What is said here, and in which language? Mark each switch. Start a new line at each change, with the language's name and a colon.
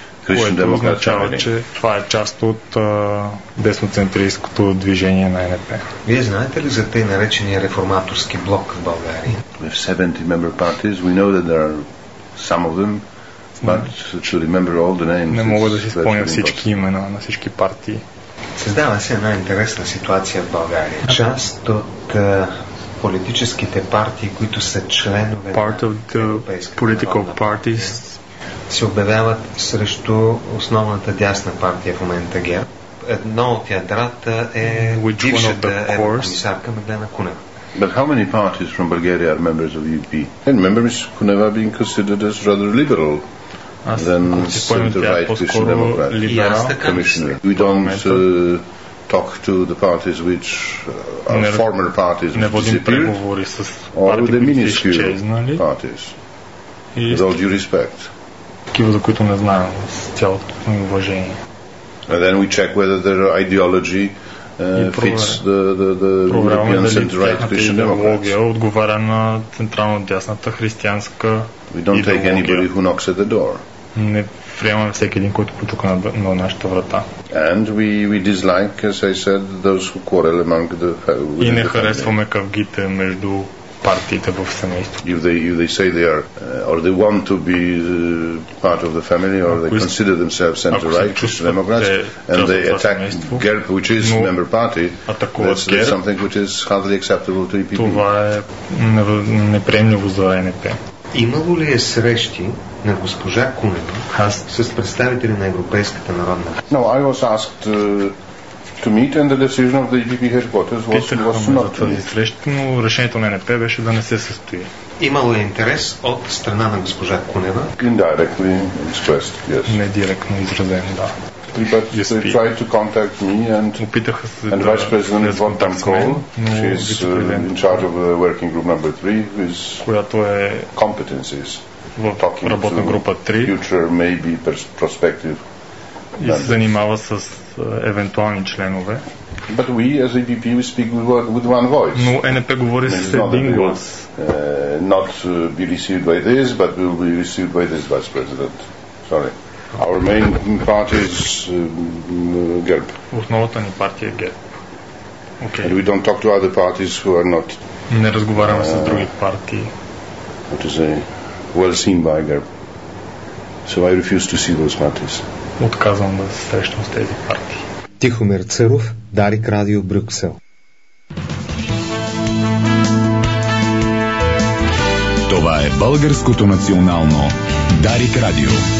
Bulgarian: Което означава, че това е част от десноцентристското движение на ЕНЕП. Вие знаете ли за тъй наречения реформаторски блок в България?
English: With 70 member parties, we know that there are some of them, but to remember all the names.
Bulgarian: Не мога да си спомня всички имена на всички партии. Създава се една интересна ситуация в България. Част от политическите партии, които са членове на Европейска партия, се обявяват срещу основната дясна партия в момента ГЕРБ. Едно от ядрата е бившата еврокомисарка Меглена Кунева.
English: But how many parties from Bulgaria are members of EPP? And members Kuneva being considered as rather liberal than center-right Christian Democrat commissioner. We don't talk to the parties which are former parties which disappeared or with the minuscule parties. With all due respect.
Bulgarian: Такива, за които не знаем, с цялото ми уважение.
English: And then we check whether their ideology fits the European center-right Christian Democrats.
Bulgarian: Отговаря на централно-дясната християнска идеология.
English: We don't take anybody who knocks at the door.
Bulgarian: Не приемаме всеки един, който потука на нашата врата.
English: And we dislike, as I said, those who quarrel among the family.
Bulgarian: И не харесваме кавгите между партиите в семейството.
English: If they say they are or they want to be part of the family or they consider themselves center right Christian Democrats and they attack GERB, which is member party, that's something which is hardly acceptable to EPP.
Bulgarian: Това е неприемливо за ЕНЕП. Имало ли е срещи на госпожа Кунева с представители на Европейската народна?
English: No, I was asked to meet and the decision of the EPP headquarters was not to meet.
Bulgarian: Срещата, но решението на ЕНЕП беше да не се състои. Имало е интерес от страна на госпожа Кунева?
English: Indirectly expressed, yes.
Bulgarian: Не директно изразено, да.
English: But they tried to contact me and Vice President von Tamkol, she is in charge of the working group number 3, with competencies, talking to future, maybe prospective.
Bulgarian: И се занимава с евентуални членове.
English: But we, as EPP, we speak with one voice.
Bulgarian: Но ЕНЕП говори с един глас.
English: Not be received by this, but will be received by this vice president. Sorry. Our main party is GERB.
Bulgarian: Основната ни партия е ГЕРБ.
English: Okay. And we don't talk to other parties who are not.
Bulgarian: Не разговаряме с други партии.
English: What to say? Well seen by GERB. So I refuse to see those parties.
Bulgarian: Отказвам да се срещам с тези партии. Тихомир Църов, Дарик Радио, Брюксел. Това е българското национално Дарик Радио.